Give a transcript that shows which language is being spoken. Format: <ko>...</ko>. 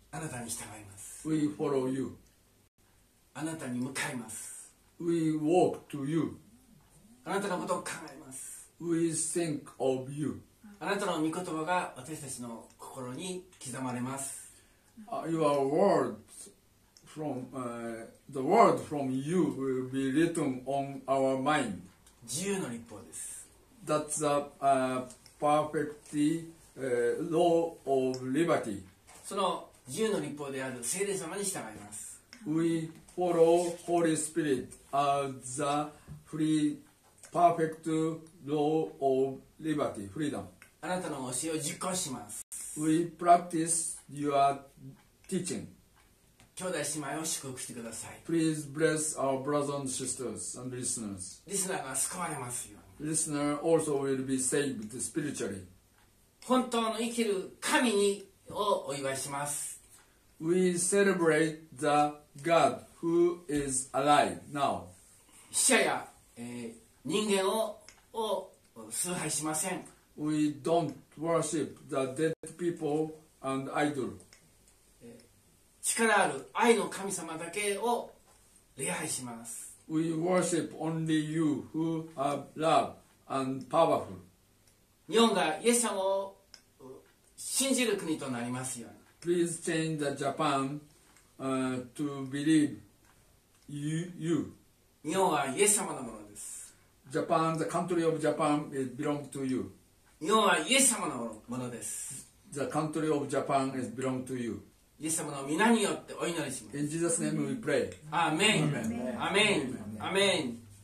<ja>あなたに従います。</ja> <en>We follow you.</en> <ja>あなたに向かいます。</ja> <en>We walk to you.</en> <ja>あなたのことを考えます。</ja> <en>We think of you.</en> <ja>あなたの御言葉が私たちの心に刻まれます。</ja> <en>Your words. From the word from you will be written on our mind.</en> <ja>自由の律法です。</ja> <en>That's a perfect law of liberty.</en> <ja>その自由の律法である聖霊様に従います。</ja> <en>We follow Holy Spirit as the free, perfect law of liberty, freedom.</en> <ja>あなたの教えを実行します。</ja> <en>We practice your teaching.</en> <ja>兄弟姉妹を祝福してください。</ja> <en>Please bless our brothers and sisters and listeners.</en> <ja>リスナーが救われますように。</ja> <en>Listener also will be saved spiritually.</en> <ja>本当の生きる神にをお祝いします。</ja> <en>We celebrate the God who is alive now.</en> <ja>死者や、人間を崇拝しません。</ja> <en>We don't worship the dead people and idols.</en> <ja>力ある愛の神様だけを礼拝します。</ja> <en>We worship only you who have love and powerful.</en> <ja>日本がイエス様を信じる国となりますように。</ja> <en>Please change the Japan, to believe you.</en> <ja>日本はイエス様のものです。</ja> <en>Japan, the country of Japan, it belongs to you.</en> <ja>日本はイエス様のものです。</ja> <en>The country of Japan is belong to you.</en> <ja>イエス様の皆によってお祈りします。</ja> <en>In Jesus' name we pray. Amen. Amen. Amen.</en>